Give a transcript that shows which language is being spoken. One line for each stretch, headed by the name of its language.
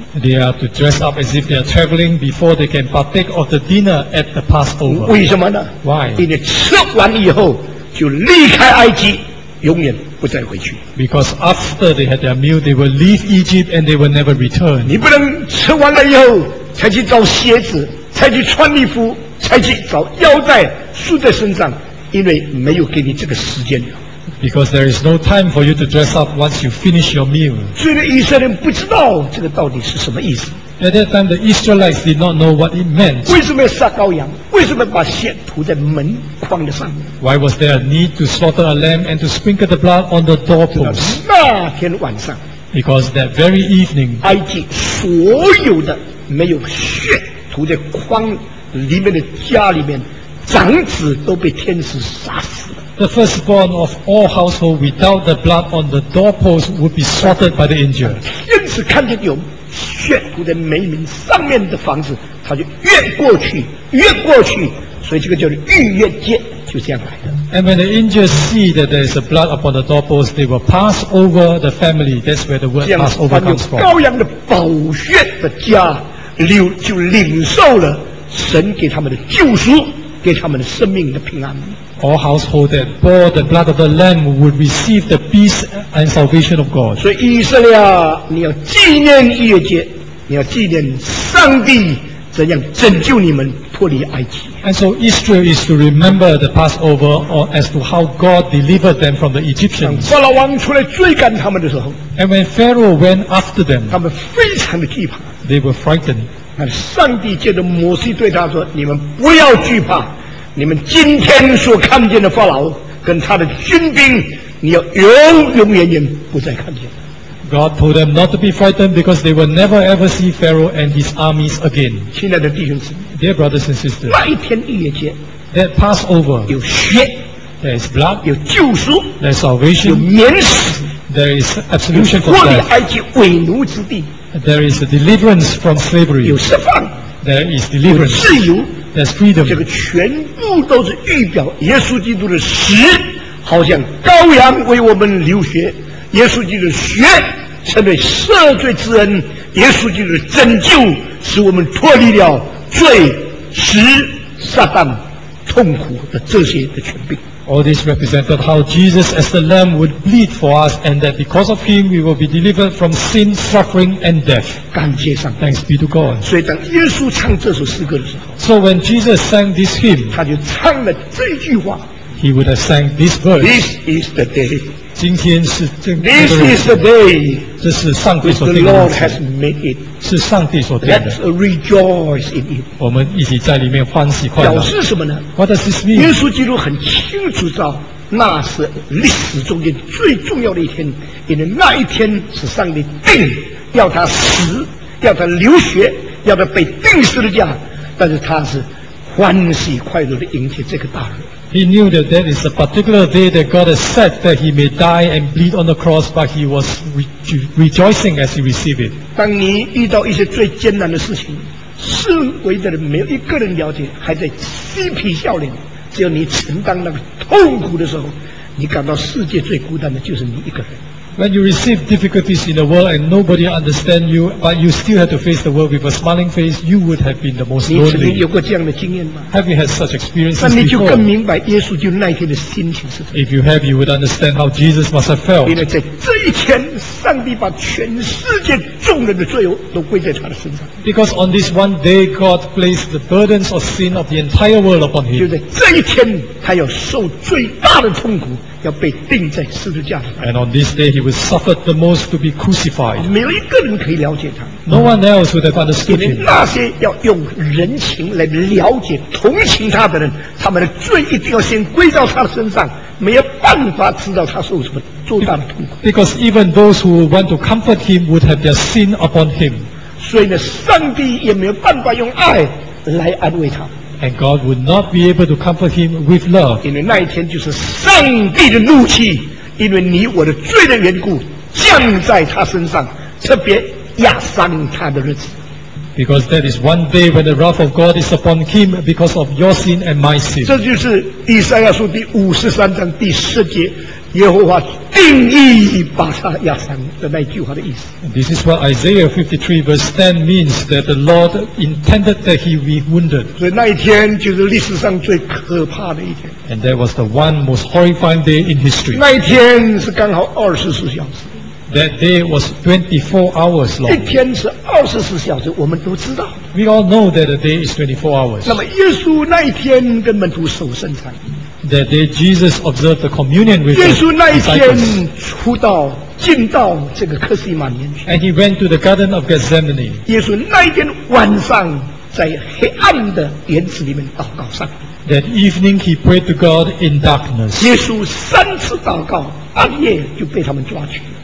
English: They are to dress up as if they are traveling before they can partake of the dinner at the Passover.
Chinese: 为什么呢？
English: Why?
Chinese: 因为吃完以后就离开埃及。永远不再回去。
English: Because after they had their meal, they will leave Egypt and they will never return.
Chinese: 你不能吃完了以后才去找鞋子，才去穿衣服，才去找腰带束在身上，因为没有给你这个时间了。
English: Because there is no time for you to dress up once you finish your meal.
Chinese: 所以以色列人不知道这个到底是什么意思。
English: At that time, the Israelites did not know what it meant.
Chinese: 为什么要杀羔羊？为什么把血涂在门框的上面？
English: Why was there a need to slaughter a lamb and to sprinkle the blood on the doorpost?
Chinese: 那天晚上，
English: because that very evening,
Chinese: 埃及所有的没有血涂在框里面的家里面，长子都被天使杀死了。
English: The firstborn of all household without the blood on the doorpost would be slaughtered by the angel.
Chinese: 天使看见有血涂在门楣上面的房子，他就越过去，越过去，所以这个叫逾越节，就这样来的。
English: And when the angels see that there is a blood upon the doorpost, they will pass over the family. That's where the word Passover comes from.
Chinese: 羔羊的宝血的家，就领受了神给他们的救赎，给他们的生命的平安。
English: All household that bore the blood of the lamb would receive the peace and salvation of God.
Chinese: 所以以色列，你要纪念逾越节，你要纪念上帝怎样拯救你们脱离埃及。
English: And so Israel is to remember the Passover as to how God delivered them from the Egyptians.
Chinese: 当法老王出来追赶他们的时候，
English: and when Pharaoh went after them,
Chinese: 他们非常的惧怕。
English: They were frightened.
Chinese: 那上帝借着摩西对他说：“你们不要惧怕。” 你们今天所看见的法老跟他的军兵，你要永永远远不再看见。
English: God told them not to be frightened because they will never ever see Pharaoh and his armies again.
Chinese: 亲爱的弟兄姊妹，
English: dear brothers and sisters,
Chinese: 那一天逾越节，
English: that Passover
Chinese: 有血，
English: There is blood.
Chinese: 有救赎。
English: There is salvation.
Chinese: 有免死。
English: There is absolution for death.
Chinese: 脱离埃及为奴之地。
English: There is a deliverance from slavery.
Chinese: 有释放。
English: There is deliverance.
Chinese: 有自由。
English: There's freedom.
Chinese: 这个全部都是预表耶稣基督的死，好像羔羊为我们流血，耶稣基督的血成为赦罪之恩，耶稣基督的拯救使我们脱离了罪、死、撒旦、痛苦的这些的权柄。
English: All this represented how Jesus as the Lamb would bleed for us, and that because of Him we will be delivered from sin, suffering, and death.
Chinese: 感谢上帝。
English: Thanks be to God.
Chinese: 所以当耶稣唱这首诗歌的时候
English: ，So when Jesus sang this hymn,
Chinese: 他就唱了这句话。
English: He would have sang this verse. This is the day.
Chinese: 今天是这个。
English: This is the day.
Chinese: 这是上帝所定的。
English: The Lord has made it.
Chinese: 是上帝所定的。
English: Let's rejoice in it.
Chinese: 我们一起在里面欢喜快乐。表示什么呢
English: ？What does this mean?
Chinese: 耶稣基督很清楚知道，那是历史中间最重要的一天，因为那一天是上帝定要他死，要他流血，要他被钉十字架，但是他是欢喜快乐的迎接这个大日。
English: He knew that that is a particular day that God has set that he may die and bleed on the cross, but he was rejoicing as he received it.
Chinese: 当你遇到一些最艰难的事情，四围的人没有一个人了解，还在嬉皮笑脸，只有你承担那个痛苦的时候，你感到世界最孤单的就是你一个人。
English: When you receive difficulties in the world and nobody understands you, but you still have to face the world with a smiling face, you would have been the most lonely.
Chinese: 你曾经有过这样的经验吗？
English: Have you had such experiences before?
Chinese: 那你就更明白耶稣就那天的心情是什么。
English: If you have, you would understand how Jesus must have felt.
Chinese: 因为在这一天，上帝把全世界众人的罪都归在他的身上。
English: Because on this one day, God placed the burdens of sin of the entire world upon him.
Chinese: 就在这一天，他要受最大的痛苦。要被钉在十字架上。
English: And on this day, he was suffered the most to be crucified.
Chinese: 没有一个人可以了解他。
English: No one else would have understood him.
Chinese: 因为那些要用人情来了解、同情他的人，他们的罪一定要先归到他的身上，没有办法知道他受什么多大的痛苦。
English: Because even those who want to comfort him would have their sin upon him.
Chinese: 所以呢，上帝也没有办法用爱来安慰他。
English: And God would not be able to comfort him with love.
Chinese: 因为那一天就是上帝的怒气，因为你我的罪的缘故降在他身上，特别压伤他的日子。
English: Because that is one day when the wrath of God is upon him because of your sin and my sin.
Chinese: 这就是以赛亚书第五十三章第十节，耶和华定义把他压伤的那句话的意思。
English: This is what Isaiah 53 verse 10 means, that the Lord intended that he be wounded.
Chinese: 所以那一天就是历史上最可怕的一天。
English: And that was the one most horrifying day in history.
Chinese: 那一天是刚好二十四小时。
English: That day was 24 hours long.
Chinese: 一天是二十四小时，我们都知道。
English: We all know that a day is 24 hours.
Chinese: 那么耶稣那一天跟门徒守圣餐。
English: That day Jesus observed the communion with the disciples.
Chinese: 耶稣那一天出道进到这个克西马尼。
English: And he went to the Garden of Gethsemane.
Chinese: 耶稣那一天晚上在黑暗的园子里面祷告上。
English: That evening he prayed to God in darkness.
Chinese: 耶稣三次祷告，半夜就被他们抓去。